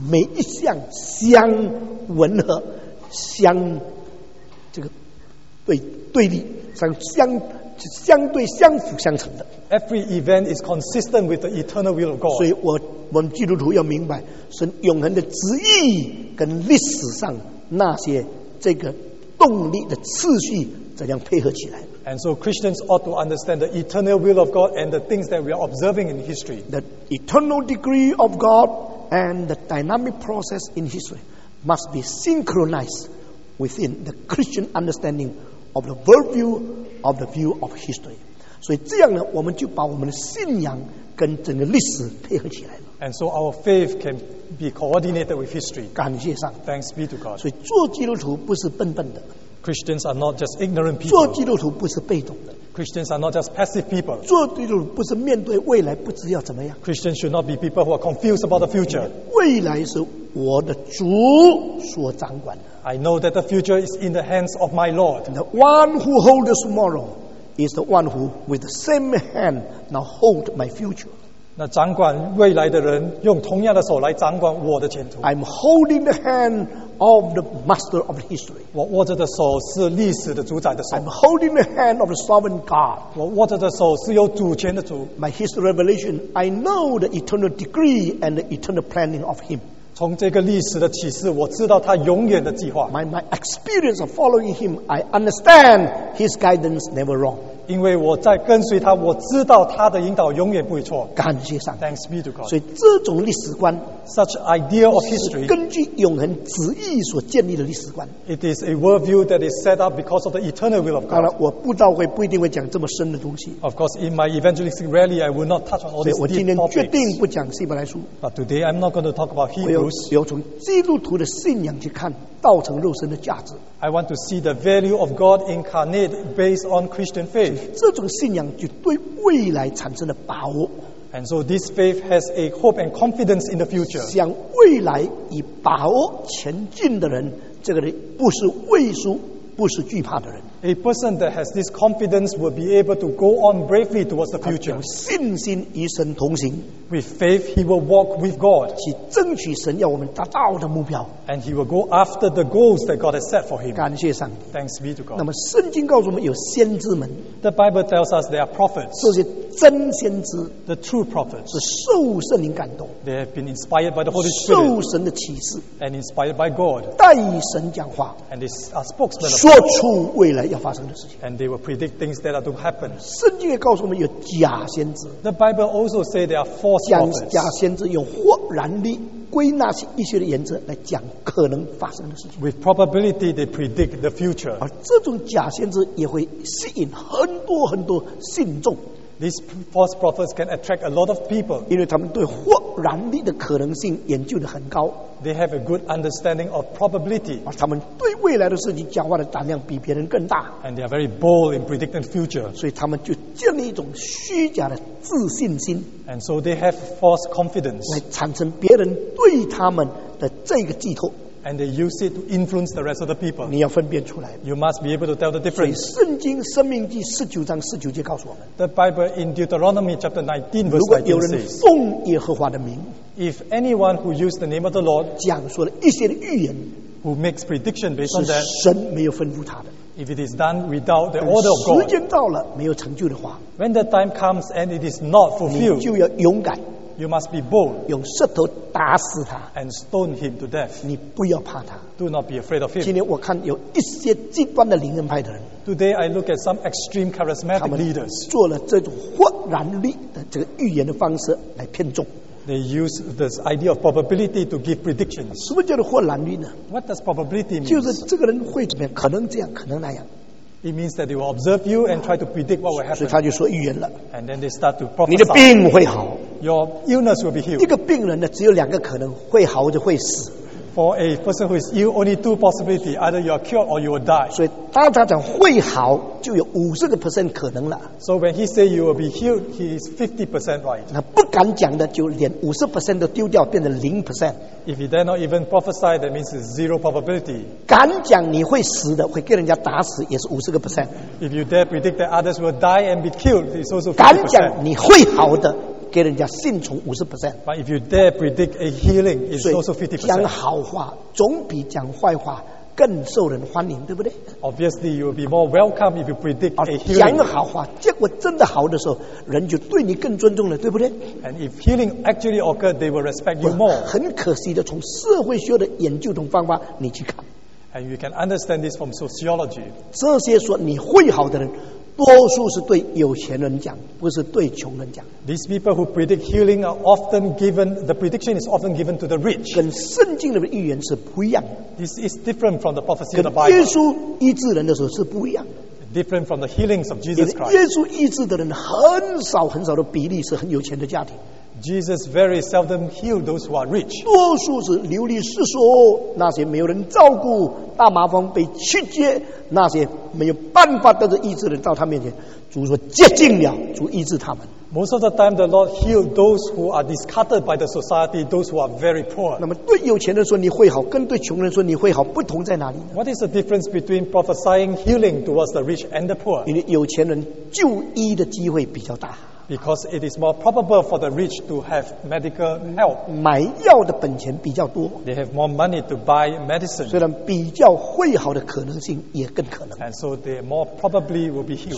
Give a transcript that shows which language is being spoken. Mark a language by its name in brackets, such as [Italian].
[Chinese] 跟神的永恒里面的计划是每一项相吻合，相。 这个对立，相相。相对相辅相成的。 [English] Every event is consistent with the eternal will of God. [Chinese] 所以我们基督徒要明白神永恒的旨意跟历史上那些这个动力的次序怎样配合起来。 [English] And so Christians ought to understand the eternal will of God and the things that we are observing in history. The eternal decree of God and the dynamic process in history must be synchronized within the Christian understanding of the worldview of the view of history. [Chinese] 所以这样呢，我们就把我们的信仰跟整个历史配合起来了。 [English] And so our faith can be coordinated with history. [Chinese] 感谢上。 [English] Thanks be to God. [Chinese] 所以做基督徒不是笨笨的。 [English] Christians are not just ignorant people. [Chinese] 做基督徒不是被动的。 [English] Christians are not just passive people. [Chinese] 做基督徒不是面对未来不知要怎么样。 [English] Christians should not be people who are confused about the future. [Chinese] 未来是我的主所掌管的。 [English] I know that the future is in the hands of my Lord. The one who holds tomorrow is the one who with the same hand now hold my future. [Chinese] 那掌管未来的人用同样的手来掌管我的前途。 [English] I'm holding the hand of the master of history. [Chinese] 我握着的手是历史的主宰的手。 [English] I'm holding the hand of the sovereign God. [Chinese] 我握着的手是有主权的主。 [English] My history revelation, I know the eternal decree and the eternal planning of him. [Chinese] 从这个历史的启示，我知道他永远的计划。 [English] My experience of following him, I understand his guidance never wrong. [Chinese] 因为我在跟随他，我知道他的引导永远不会错。感谢上。 [English] Thanks be to God. [Chinese] 所以这种历史观 [English] ，such idea of history, [Chinese] 是根据永恒旨意所建立的历史观。 [English] It is a worldview that is set up because of the eternal will of God. [Chinese] 当然，我布道会不一定会讲这么深的东西。 [English] Of course, in my evangelistic rally, I will not touch on all these topics. [Chinese] 所以我今天决定不讲希伯来书。 [English] But today, I'm not going to talk about Hebrews. [Chinese] 要从基督徒的信仰去看道成肉身的价值。 [English] I want to see the value of God incarnate based on Christian faith. [Chinese] 这种信仰就对未来产生了把握。 [English] And so this faith has a hope and confidence in the future. [Chinese] 向未来以把握前进的人，这个人不是畏缩，不是惧怕的人。 [English] A person that has this confidence will be able to go on bravely towards the future. [Chinese] 有信心与神同行。 [English] With faith, he will walk with God. [Chinese] 去争取神要我们达到的目标。 [English] And he will go after the goals that God has set for him. [Chinese] 感谢上帝。 [English] Thanks be to God. [Chinese] 那么圣经告诉我们有先知们。 [English] The Bible tells us there are prophets. [Chinese] 这些真先知。 [English] The true prophets. [Chinese] 是受圣灵感动。 [English] They have been inspired by the Holy Spirit. [Chinese] 受神的启示。 [English] And inspired by God. [Chinese] 代神讲话。 [English] And they are spokesmen of God. [Chinese] 说出未来。要发生的事情。 [English] And they will predict things that are to happen. [Chinese] 圣经也告诉我们有假先知。 [English] The Bible also says there are false prophets. [Chinese] 假先知用豁然的归纳一些的原则来讲可能发生的事情。 [English] With probability, they predict the future. [Chinese] 而这种假先知也会吸引很多很多信众。 [English] These false prophets can attract a lot of people. [Chinese] 因为他们对豁然的可能性研究得很高。 [English] They have a good understanding of probability. [Chinese] 而他们对未来的事情讲话的胆量比别人更大。 [English] And they are very bold in predicting the future. [Chinese] 所以他们就建立一种虚假的自信心。 [English] And so they have false confidence. [Chinese] 来产生别人对他们的这个寄托。 [English] And they use it to influence the rest of the people. [Chinese] 你要分辨出来。 [English] You must be able to tell the difference. [Chinese] 所以圣经生命记十九章十九节告诉我们。 [English] The Bible in Deuteronomy chapter 19 verse 19 says. [Chinese] 如果有人奉耶和华的名。 [English] If anyone who used the name of the Lord [Chinese] 讲述了一些的预言 [English] who makes prediction based on that [Chinese] 神没有吩咐他的 [English] if it is done without the order of God [Chinese] 时间到了没有成就的话 [English] when the time comes and it is not fulfilled [Chinese] 你就要勇敢 [English] you must be bold [Chinese] 用石头打死他 [English] and stone him to death [Chinese] 你不要怕他 [English] do not be afraid of him [Chinese] 今天我看有一些极端的灵恩派的人 [English] today I look at some extreme charismatic leaders [Chinese] 他们做了这种豁然力的这个预言的方式来骗众 [English] They use this idea of probability to give predictions. [Chinese] 什么叫做豁然率呢 [English] ？What does probability mean? [Chinese] 就是这个人会怎么样？可能这样，可能那样。 [English] It means that they will observe you and try to predict what will happen. [Chinese] 所以他就说预言了。 [English] And then they start to prophesy. [Chinese] 你的病会好。 [English] Your illness will be healed. [Chinese] 一个病人呢，只有两个可能，会好就会死。 [English] For a person who is ill, only two possibilities: either you are cured or you will die. [Chinese] 所以当他讲会好，就有50% 可能了。 [English] So when he say you will be healed, he is 50% right. [Chinese] 那不敢讲的，就连50%都丢掉，变成0%。 [English] If he dare not even prophesy, that means zero probability. [Chinese] 敢讲你会死的，会给人家打死，也是50%。 [English] If you dare predict that others will die and be killed, it's also 50%. [Chinese] 敢讲你会好的。给人家信从50%。 [English] But if you dare predict a healing, it's also 50%. [Chinese] 讲好话总比讲坏话更受人欢迎，对不对？ [English] Obviously, you will be more welcome if you predict a healing. [Chinese] 讲个好话，结果真的好的时候，人就对你更尊重了，对不对？ [English] And if healing actually occurred, they will respect you more. [Chinese] 很可惜的，从社会学的研究中方法，你去看。 [English] And you can understand this from sociology. [Chinese] 这些说你会好的人，多数是对有钱人讲，不是对穷人讲。 [English] These people who predict healing are often given, the prediction is often given to the rich. [Chinese] 跟圣经里的预言是不一样的。 [English] This is different from the prophecy of the Bible. [Chinese] 跟耶稣医治人的时候是不一样的。 [English] Different from the healings of Jesus Christ. [Chinese] 耶稣医治的人很少很少的比例是很有钱的家庭。 [English] Jesus very seldom healed those who are rich. [Chinese] 多数是流离失所，那些没有人照顾，大麻风被弃绝，那些没有办法得着医治的人到他面前，主说接近了，主医治他们。 [English] Most of the time, the Lord healed those who are discarded by the society, those who are very poor. [Chinese] 那么对有钱人说你会好，跟对穷人说你会好，不同在哪里？ [English] What is the difference between prophesying healing towards the rich and the poor? [Chinese] 因为有钱人就医的机会比较大。 [English] Because it is more probable for the rich to have medical help. [Chinese] 买药的本钱比较多。 [English] They have more money to buy medicine. [Chinese] 虽然比较会好的可能性也更可能。 [English] And so they more probably will be healed.